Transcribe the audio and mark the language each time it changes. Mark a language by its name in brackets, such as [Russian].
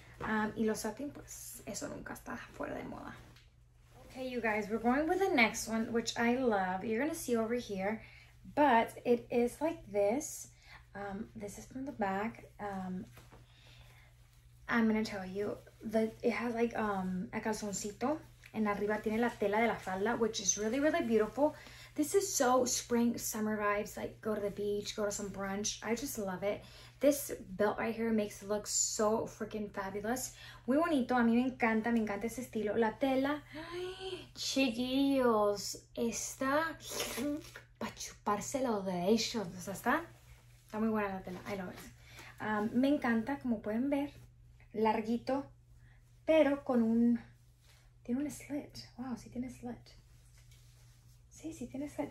[Spanish] Y los satin, pues, eso nunca está fuera de moda. [English] Okay, you guys, we're going with the next one, which I love. You're gonna see over here, but it is like this. This is from the back. I'm gonna tell you that it has like a calzoncito. [Spanish] En arriba tiene la tela de la falda, [English] which is really beautiful. This is so spring, summer vibes, like go to the beach, go to some brunch. I just love it. This belt right here makes it look so freaking fabulous. [Spanish] Muy bonito. A mí me encanta ese estilo. La tela. Chiquillos. Está para chupárselo de ellos. O sea, está Está muy buena la tela. [English] I love it. [Spanish] Me encanta, como pueden ver. Larguito, pero con un... Tiene un slit. Wow, sí tiene slit. Sí, sí tiene slit.